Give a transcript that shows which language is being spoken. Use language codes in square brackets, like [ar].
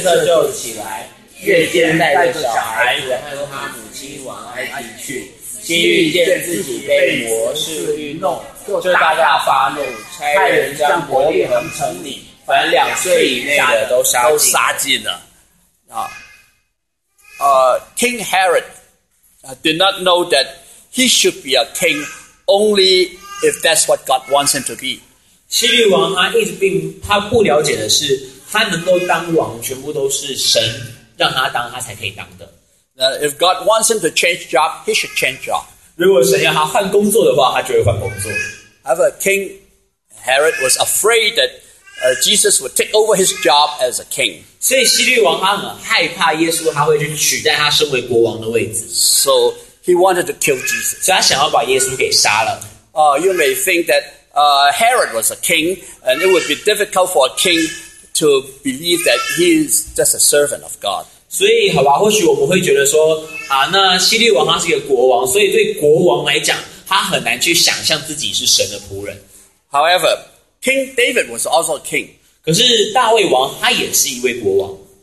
[zh] 稣就起来，夜间带着小孩子和他母亲往埃及去。西律见自己被魔士愚弄，就大大发怒，差人将伯利恒城里凡两岁以内的都杀尽了。 [en] King Herod did not know that he should be a king only if that's what God wants him to be. [zh] 西律王他一直并他不了解的是，他能够当王，全部都是神让他当，他才可以当的。 [en] If God wants him to change job, he should change job. [zh] 如果神要他换工作的话，他就会换工作。 [en] However, King Herod was afraid that Jesus would take over his job as a king. [zh] 所以西律王他很害怕耶稣他会去取代他身为国王的位置。 [en] So he wanted to kill Jesus. [zh] 所以他想要把耶稣给杀了。 [en] You may think that Herod was a king, and it would be difficult for a king to believe that he is just a servant of God. [zh] 所以好吧，或许我们会觉得说啊，那西律王他是一个国王，所以对国王来讲，他很难去想象自己是神的仆人。 [en] However,King David was also a king. [zh] 可是大卫王他也是一位国王。